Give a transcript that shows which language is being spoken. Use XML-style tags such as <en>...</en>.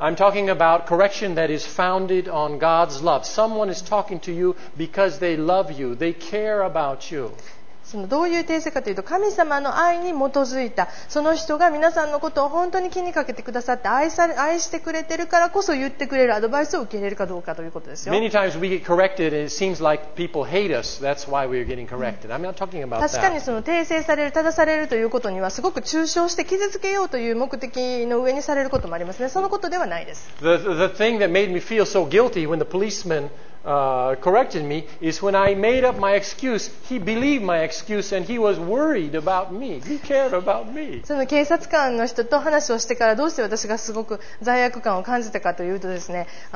<en>I'm talking about correction that is founded on God's love. Someone is talking to you because they love you. They care about you.</en> <ja>そのどういう訂正かというと、神様の愛に基づいた、その人が皆さんのことを本当に気にかけてくださって愛してくれてるからこそ言ってくれるアドバイスを受け入れるかどうかということですよ。</ja> <en>Many times we get corrected and it seems like people hate us. That's why we're getting corrected. I'm not talking about that.</en> <ja>確かにその訂正される、正されるということにはすごく抽象して傷つけようという目的の上にされることもありますね。そのことではないです。</ja> <en>The thing that made me feel so guilty when the policeman corrected me is when I made up my excuse, he believed my excuse and he was worried about me. He cared about me.</en> <ja>その警察官の人と話をしてからどうして私がすごく罪悪感を感じたかというとですね、</ja>